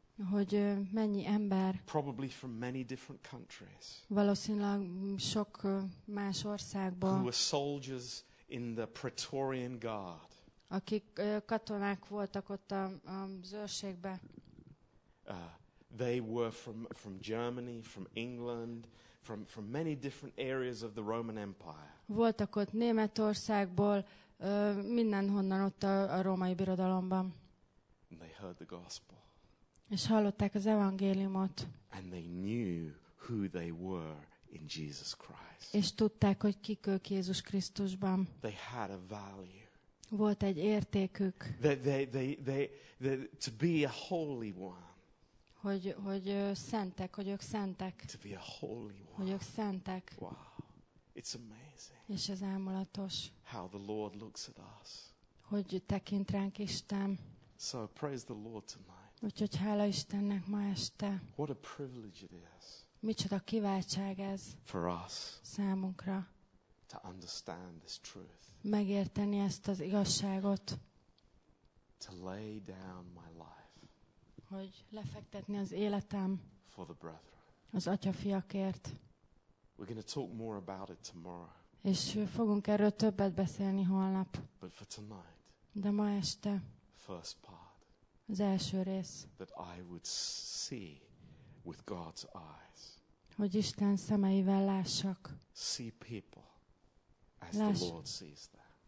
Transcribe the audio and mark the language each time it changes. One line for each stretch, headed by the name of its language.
Hungarian: hogy mennyi ember,
English: probably from many different countries,
Hungarian: valószínűleg sok más országból,
English: who were soldiers in the Praetorian Guard,
Hungarian: akik katonák voltak ott a zőrségbe,
English: they were from Germany, from England, from many different areas of the Roman Empire.
Hungarian: Voltak ott Németországból, mindenhonnan ott a Római Birodalomban.
English: And they heard the gospel.
Hungarian: És hallották az evangéliumot.
English: And they knew who they were in Jesus Christ.
Hungarian: És tudták, hogy kik ők Jézus Krisztusban.
English: They had a value.
Hungarian: Volt egy értékük.
English: They to be a holy one.
Hungarian: Hogy szentek, hogy ők szentek.
English: To be a holy one.
Hungarian: Hogy ők szentek.
English: Wow. It's amazing.
Hungarian: És ez álmulatos.
English: How the Lord looks at us.
Hungarian: Hogy tekint ránk Isten.
English: So praise the Lord tonight.
Hungarian: Úgyhogy hála Istennek ma este.
English: What a privilege it is.
Hungarian: Micsoda kiváltság ez.
English: For us.
Hungarian: Számunkra.
English: To understand this truth.
Hungarian: Megérteni ezt az igazságot.
English: To lay down my life.
Hungarian: Hogy lefektetni az életem.
English: For the brethren.
Hungarian: Az atyafiakért.
English: We're going to talk more about it tomorrow.
Hungarian: És fogunk erről többet beszélni holnap.
English: But for tonight,
Hungarian: de ma este,
English: first part,
Hungarian: az első rész,
English: that I would see with God's eyes,
Hungarian: hogy Isten szemeivel lássak,
English: see people as the Lord sees them.